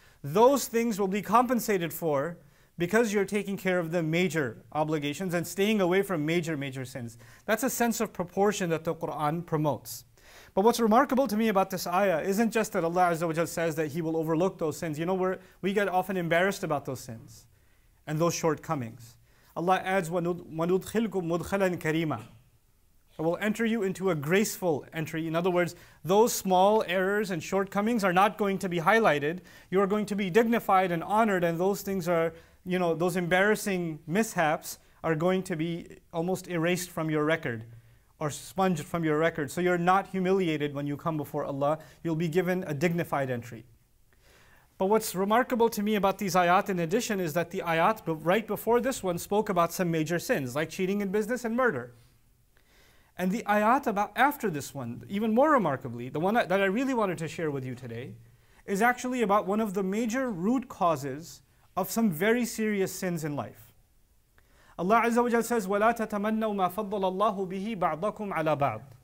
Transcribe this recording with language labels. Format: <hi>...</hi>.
<en>Those things will be compensated for because you're taking care of the major obligations and staying away from major, major sins. That's a sense of proportion that the Qur'an promotes. But what's remarkable to me about this ayah isn't just that Allah Azza wa Jal says that He will overlook those sins. You know, we get often embarrassed about those sins and those shortcomings. Allah adds,</en> <ar>وَنُدْخِلْكُمْ مُدْخَلًا كَرِيمًا.</ar> <en>I will enter you into a graceful entry. In other words, those small errors and shortcomings are not going to be highlighted. You are going to be dignified and honored, and those things are, you know, those embarrassing mishaps are going to be almost erased from your record or expunged from your record. So you're not humiliated when you come before Allah. You'll be given a dignified entry. But what's remarkable to me about these ayat in addition is that the ayat right before this one spoke about some major sins, like cheating in business and murder. And the ayat about after this one, even more remarkably, the one that I really wanted to share with you today, is actually about one of the major root causes of some very serious sins in life. Allah Azza wa Jalla says,</en> <ar>وَلَا تَتَمَنَّوْ مَا فَضَّلَ اللَّهُ بِهِ بَعْضَكُمْ عَلَى بَعْضٍ.</ar>